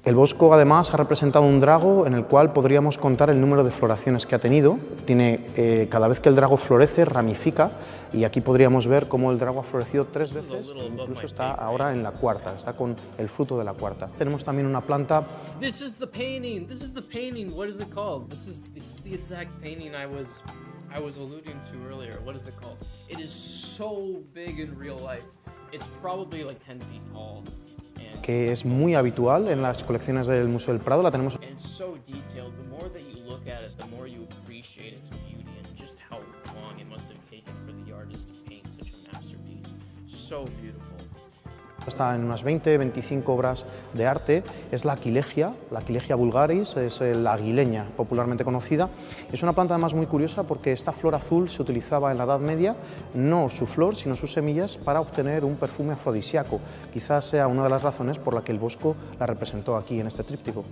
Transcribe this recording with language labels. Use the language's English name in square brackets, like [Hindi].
[Spanish] El Bosco además ha representado un drago en el cual podríamos contar el número de floraciones que ha tenido. Tiene, cada vez que el drago florece, ramifica, y aquí podríamos ver cómo el drago ha florecido tres veces, incluso está ahora en la cuarta, está con el fruto de la cuarta. Tenemos también una planta. [English] This is the painting. This is the painting. What is it called? This is the exact painting I was alluding to earlier. What is it called? It is so big in real life. It's probably like 10 feet tall. [Spanish] Que es muy habitual en las colecciones del Museo del Prado, la tenemos. [English] And so detailed. The more that you look at it, the more you appreciate its beauty and just how long it must have taken for the artist to paint such a masterpiece. So beautiful. [Spanish] Está en unas 20, 25 obras de arte. Es la Aquilegia vulgaris, es la aguileña popularmente conocida. Es una planta además muy curiosa porque esta flor azul se utilizaba en la Edad Media, no su flor, sino sus semillas, para obtener un perfume afrodisíaco. Quizás sea una de las razones por la que el Bosco la representó aquí en este tríptico.